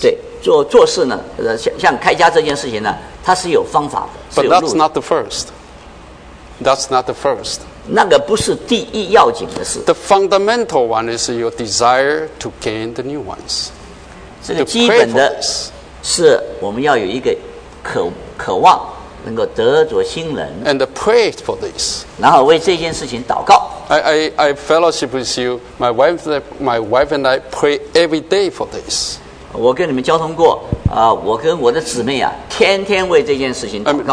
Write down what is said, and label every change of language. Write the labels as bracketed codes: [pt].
[zh] 对，做事呢，像开家这件事情呢，它是有方法的，是有路的。 [en] But that's not the first. That's not the first. [zh] 那个不是第一要紧的事。 [en] The fundamental one is your desire to gain the new ones. [zh] 这个基本的是我们要有一个渴望能够得着新人。 [en] And pray for this. [zh] 然后为这件事情祷告。 [en] I fellowship with you. My wife and I pray every day for this. [zh] 我跟你们交通过、我跟我的姊妹啊，天天为这件事情祷告。